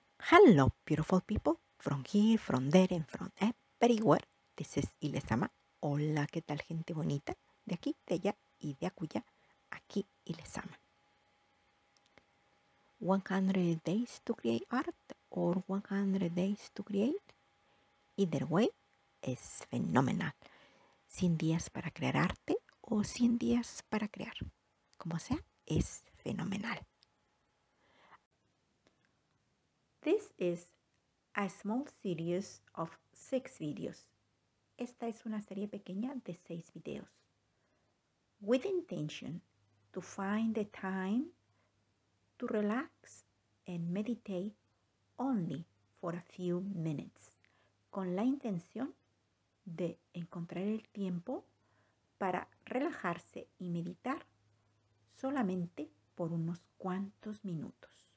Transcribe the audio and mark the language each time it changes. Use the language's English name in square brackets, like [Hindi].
[English] Hello, beautiful people, from here, from there, and from everywhere. This is LezAma. [Spanish] Hola, ¿qué tal, gente bonita? De aquí, de allá, y de acuya, aquí, LezAma. [English] 100 days to create art, or 100 days to create. Either way, [Spanish] es fenomenal. 100 días para crear arte, o 100 días para crear. Como sea, es fenomenal. [English] This is a small series of 6 videos. [Spanish] Esta es una serie pequeña de 6 videos. [English] With intention to find the time to relax and meditate only for a few minutes. [Spanish] Con la intención de encontrar el tiempo para relajarse y meditar solamente por unos cuantos minutos.